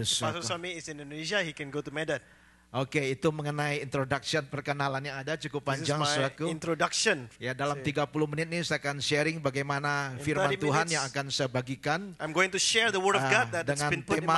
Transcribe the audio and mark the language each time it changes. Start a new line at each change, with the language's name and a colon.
English: Pastor Somi is in Indonesia, he can go to Medan.
Indonesian: Oke, itu mengenai introduction perkenalan yang ada cukup panjang suraku.
English: Introduction.
Indonesian: Ya, dalam 30 menit ini saya akan sharing bagaimana firman Tuhan yang akan saya bagikan.
English: I'm going to share the word of God that's been put in my heart.